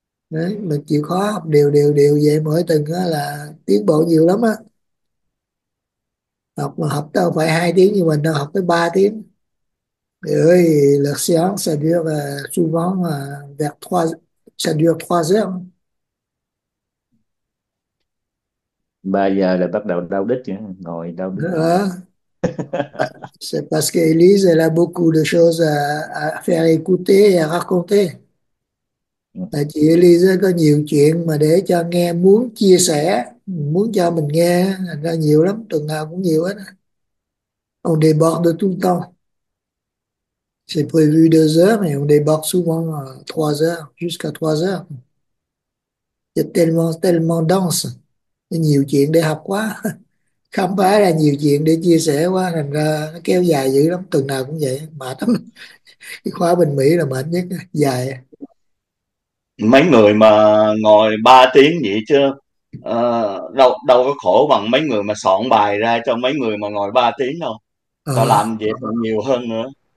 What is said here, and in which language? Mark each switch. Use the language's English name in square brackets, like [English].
[Vietnamese] Đấy, mình chịu khó học đều đều đều vậy mỗi tuần á là tiến bộ nhiều lắm á. Học mà học đâu phải 2 tiếng như mình đâu, học tới 3 tiếng. Mẹ ơi, [French] la séance ça dure souvent vers 3, ça dure 3 h. [Vietnamese] Ba giờ là bắt đầu đau đít nhỉ, ngồi đau đít. [French] C'est parce qu'Élise, elle a beaucoup de choses à faire écouter et à raconter. [Vietnamese] Tại chị Elisa có nhiều chuyện mà để cho nghe, muốn chia sẻ, muốn cho mình nghe, thành ra nhiều lắm, tuần nào cũng nhiều hết. [French] On déborde tout le temps. C'est prévu 2 h, mais on déborde souvent 3 h, jusqu'à 3 h. Il y a tellement, tellement dense. [Vietnamese] Nhiều chuyện để học quá. Không phải là nhiều chuyện để chia sẻ quá, thành ra nó kéo dài dữ lắm, tuần nào cũng vậy, mệt lắm. Cái khóa bên Mỹ là mệt nhất, dài. Mấy người mà ngồi 3 tiếng vậy chứ đâu đâu có khổ bằng mấy người mà soạn bài ra cho mấy người mà ngồi 3 tiếng đâu, và làm việc còn nhiều hơn nữa.